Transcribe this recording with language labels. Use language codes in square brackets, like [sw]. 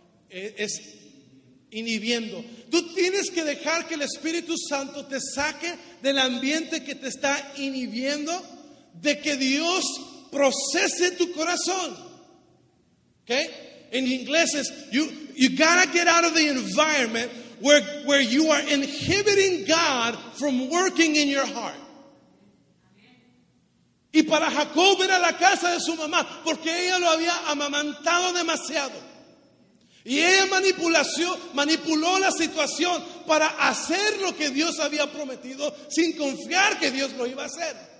[es] Es inhibiendo. Tú tienes que dejar que el Espíritu Santo te saque del ambiente que te está inhibiendo, de que Dios procese tu corazón. [en] Okay? In English, you gotta get out of the environment where you are inhibiting God from working in your heart. [es] Y para Jacob era la casa de su mamá, porque ella lo había amamantado demasiado. Y ella manipuló la situación para hacer lo que Dios había prometido sin confiar que Dios lo iba a hacer.